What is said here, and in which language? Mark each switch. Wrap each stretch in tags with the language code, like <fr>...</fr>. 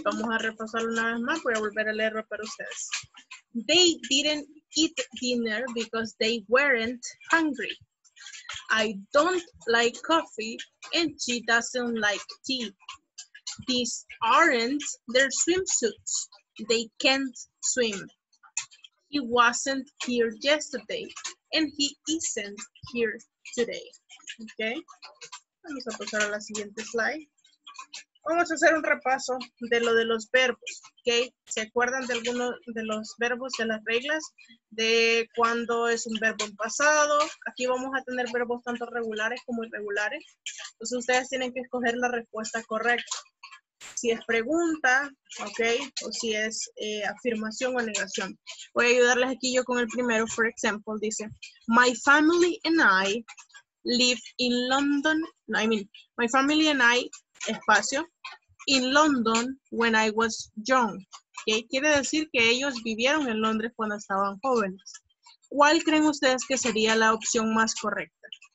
<es>Vamos a repasarlo una vez más. Voy a volver a leerlo para ustedes.</es> <en>They didn't eat dinner because they weren't hungry. I don't like coffee and she doesn't like tea. These aren't their swimsuits. They can't swim. He wasn't here yesterday and he isn't here today.</en> <es>Okay. Vamos a pasar a la siguiente slide. Vamos a hacer un repaso de lo de los verbos. Okay. ¿Se acuerdan de alguno de los verbos, de las reglas? De cuándo es un verbo en pasado. Aquí vamos a tener verbos tanto regulares como irregulares. Entonces ustedes tienen que escoger la respuesta correcta. Si es pregunta, ok, o si es afirmación o negación. Voy a ayudarles aquí yo con el primero.</es> <en>For example, dice, my family and I live in London. No, I mean, my family and I espacio, in London when I was young. ¿Okay?</en> <es>Quiere decir que ellos vivieron en Londres cuando estaban jóvenes. ¿Cuál creen ustedes que sería la opción más correcta?</es>